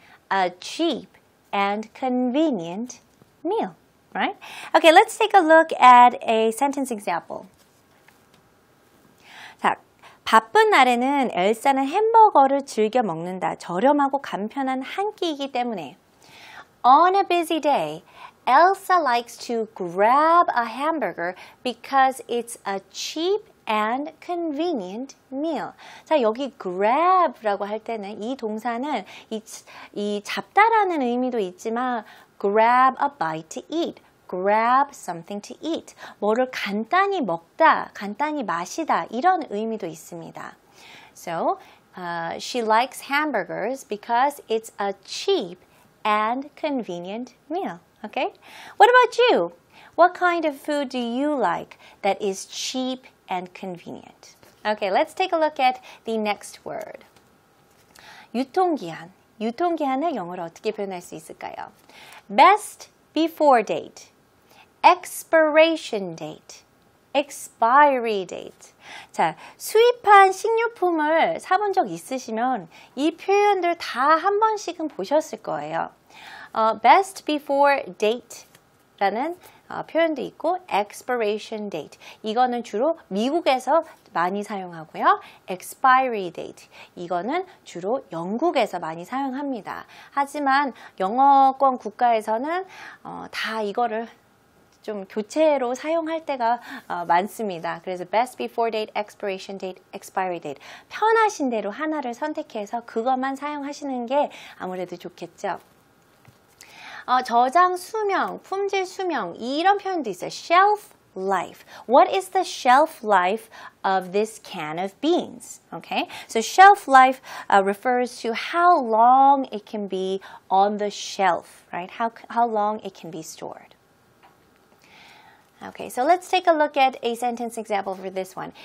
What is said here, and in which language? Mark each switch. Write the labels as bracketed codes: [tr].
[en] A cheap and convenient meal. Right? Okay, let's take a look at a sentence example. [ko] 바쁜 날에는 엘사는 햄버거를 즐겨 먹는다. 저렴하고 간편한 한 끼이기 때문에. [en] On a busy day, Elsa likes to grab a hamburger because it's a cheap and convenient meal. [ko] 자, 여기 grab라고 할 때는 이 동사는 이 잡다라는 의미도 있지만 grab a bite to eat. [en] Grab something to eat. [ko] 뭐를 간단히 먹다, 간단히 마시다 이런 의미도 있습니다. [en] So, she likes hamburgers because it's a cheap and convenient meal. Okay? What about you? What kind of food do you like that is cheap and convenient? Okay, let's take a look at the next word. [ko] 유통기한. 유통기한을 영어로 어떻게 표현할 수 있을까요? [en] Best before date. Expiration date, expiry date. [ko] 자, 수입한 식료품을 사본 적 있으시면 이 표현들 다 한 번씩은 보셨을 거예요. [en] Best before date 라는 표현도 있고 expiration date. [ko] 이거는 주로 미국에서 많이 사용하고요. [en] expiry date. [ko] 이거는 주로 영국에서 많이 사용합니다. 하지만 영어권 국가에서는 다 이거를 좀 교체로 사용할 때가 많습니다. [en] 그래서 best before date, expiration date, expiry date. [ko] 편하신 대로 하나를 선택해서 그것만 사용하시는 게 아무래도 좋겠죠. 저장 수명, 품질 수명 이런 표현도 있어요. [en] shelf life. What is the shelf life of this can of beans? Okay? So shelf life refers to how long it can be on the shelf, right? How long it can be stored. Okay, so let's take a look at a sentence example for this one.